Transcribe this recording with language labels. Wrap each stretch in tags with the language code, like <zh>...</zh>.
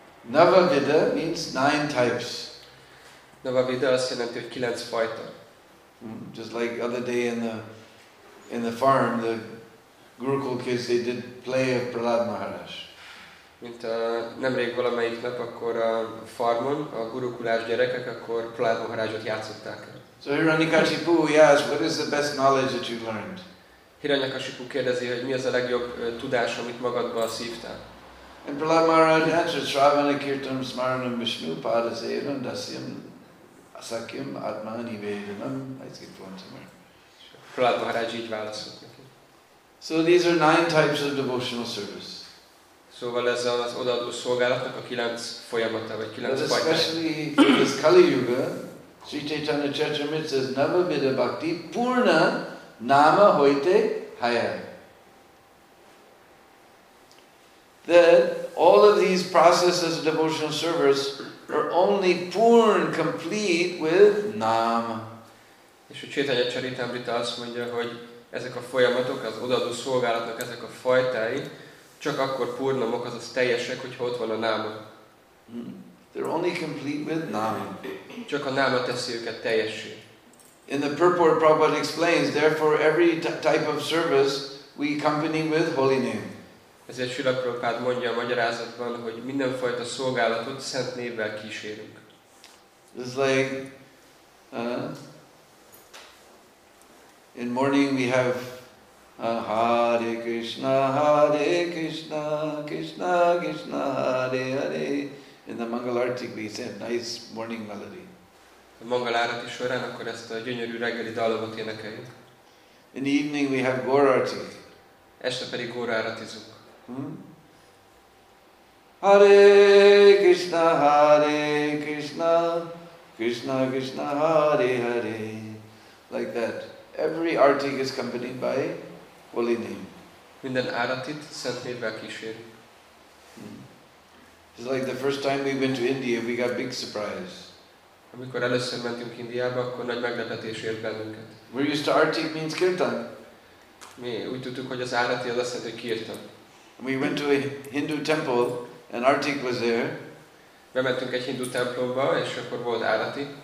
<en>Nava vide means nine types.</en> <hu>Nava vide azt jelenti, hogy kilenc fajta.</hu> <en>Just like other day in the farm, the Gurukul kids, they did play of Prahlad Maharaj.</en> <hu>Mint nemrég valamelyik nap, akkor a farmon, a gurukulás gyerekek, akkor Prahlad Maharajot játszották.</hu> <en>So Hiranyakashipu, yes, what is the best knowledge that you learned?</en> <hu>Hiranyakashipu kérdezi, hogy mi az a legjobb tudás, amit magadban szívtál?</hu> <en>And Prahlad Maharaj answered,</en> <sa>Shravana Kirtan Smaranam Vishnu Padasevam Dasyam Asakyam Atmani Vedanam.</sa> <en>I skipped one somewhere.</en> <hu>Prahlad Maharaj így válaszolt neki.</hu> <en>So these are nine types of devotional service.</en> <hu>Szóval ez az odaadó szolgálatnak a kilenc folyamata, vagy kilenc fajta.</hu> <en>But especially for this Kali Yuga, Sri Chaitanya Charitamrita says,</en> <sa>Nava Vida Bhakti Purna Nama Hoite Haya.</sa> <en>That all of these processes of devotional service are only purna, complete with Nama.</en> <hu>És a Chaitanya Charitamrita azt mondja, hogy ezek a folyamatok, az odaadó szolgálatnak ezek a fajtái csak akkor purnamok, azaz teljesek, hogyha ott van a Nama.</hu> <en>They're only complete with Nama.</en> <hu>Csak a Nama teszi őket teljessé.</hu> <en>In the purport, Prabhupada explains, therefore every type of service we accompany with holy name.</en> <hu>Ezért Srila Prabhupada mondja a magyarázatban, hogy mindenfajta szolgálatot szent névvel kísérünk.</hu> <en>It's like, in morning we have</en> <sa>Hare Krishna, Hare Krishna, Krishna Krishna, Hare Hare.</sa> <en>In the Mangal Arati we say a nice morning melody.</en> <hu>A Mangal Arati során akkor ezt a gyönyörű reggeli dalomot énekeljük.</hu> <en>In the evening we have Gaur Arati.</en> <hu>Este pedig Gaur Aratizunk.</hu> <sa>Hare Krishna, Hare Krishna, Krishna Krishna, Hare Hare.</sa> <en>Like that. Every artik is accompanied by holy name.</en> <hu>Minden áratit szent névvel kísér.</hu> <en>It's like the first time we went to India, we got big surprise.</en> <hu>Amikor először mentünk Indiába, akkor nagy meglepetés ért bennünket.</hu> <en>We're used to artik means kirtan.</en> <hu>Mi úgy tudtuk, hogy az árati az azt jelenti, hogy kirtan.</hu> <en>We went to a Hindu temple and artik was there.</en> <hu>Bementünk egy hindu templomba, és akkor volt árati.</hu>